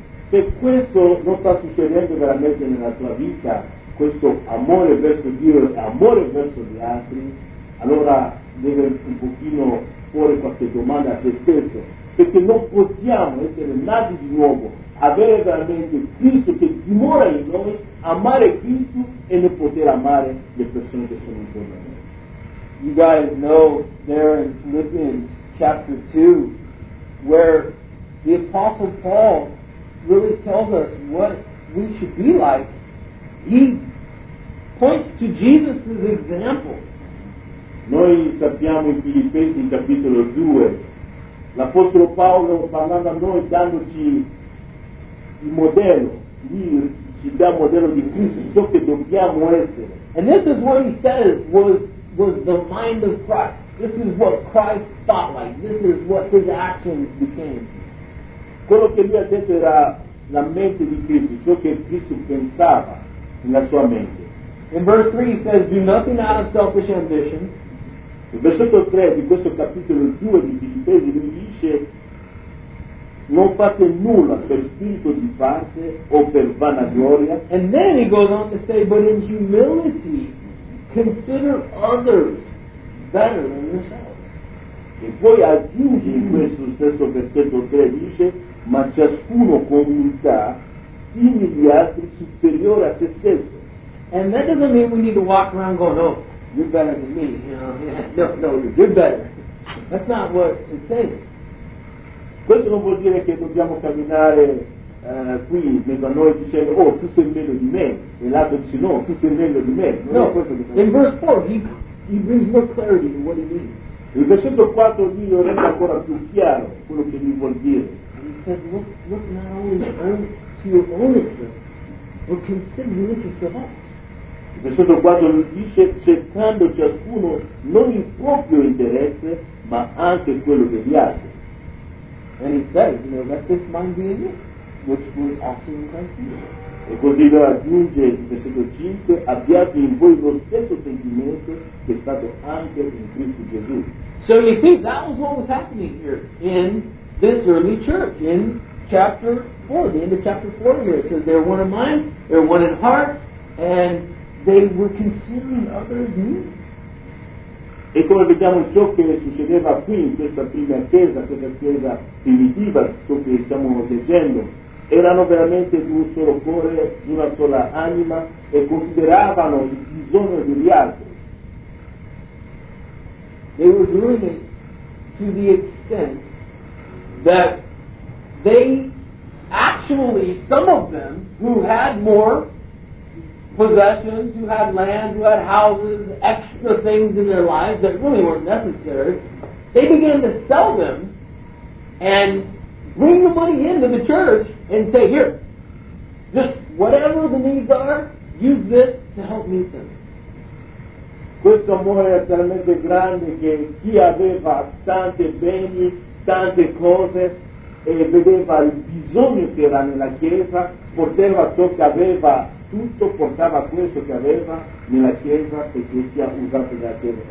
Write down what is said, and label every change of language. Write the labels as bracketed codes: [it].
[it] Se questo non sta succedendo veramente nella tua vita, questo amore verso Dio e amore verso gli altri, allora deve un pochino porre qualche domanda a te stesso, perché non possiamo essere nati di nuovo, avere veramente Cristo che dimora in noi, amare Cristo e non poter amare le persone che sono intorno a noi. [en] You guys know there in Philippians chapter 2 where the Apostle Paul really tells us what we should be like. He points to Jesus' example. [it] Noi sappiamo in Filippesi in capitolo 2 l'Apostolo Paolo parlando a noi dandoci il modello, lì ci dà il modello di Cristo, ciò che dobbiamo essere. [en] And this is what he says was the mind of Christ. This is what Christ thought like. This is what his actions became. [it] Quello che lui ha detto era la mente di Cristo, ciò che Cristo pensava nella sua mente. [en] In verse 3 he says, do nothing out of selfish ambition. [it] Il versetto 3 di questo capitolo 2 di Filippesi lui dice non fate nulla per spirito di parte o per vanagloria. [en] And then he goes on to say, but in humility consider others better than yourself. [it] E poi aggiunge in questo stesso versetto 3 dice ma ciascuno con umiltà stimi gli altri superiore a se stesso. [en] And that doesn't mean we need to walk around going, oh, you're better than me, you know. Yeah. No, you're better. That's not what it says. [it] Questo non vuol dire che dobbiamo camminare qui mezzo a noi dicendo, oh, tu sei meglio di me. E l'altro dice, no, tu sei meglio di me. No, questo che [en] in verse 4, he brings more clarity to what he means. [it] Il versetto 4 lì lo rende ancora più chiaro quello che gli vuol dire. [en] He says, look not only to your own interest, but consider the interest of others. [it] Il versetto 4 lui dice cercando ciascuno non il proprio interesse ma anche quello degli altri. [en] And he says, you know, let this mind be in you, which was also in Christ Jesus. [it] E così lo aggiunge il versetto 5, abbiate in voi lo stesso sentimento che è stato anche in Cristo Gesù. [en] So you see, that was what was happening here in this early church, in chapter 4, the end of chapter 4 here. It says they're one in mind, they're one in heart, and they were considering others' needs. [it] E come vediamo ciò che succedeva qui in questa chiesa primitiva, ciò che stiamo leggendo, erano veramente di un solo cuore, di una sola anima, e consideravano il bisogno degli altri. [en] They were doing it to the extent that they actually, some of them who had more possessions, who had land, who had houses, extra things in their lives that really weren't necessary, they began to sell them and bring the money into the church and say, here, just whatever the needs are, use this to help meet them. [it] Questo amore è talmente grande che chi aveva tante beni, tante cose, e vedeva il bisogno che era nella chiesa, poteva ciò che aveva tutto portava questo che aveva nella chiesa e che sia usato nella chiesa.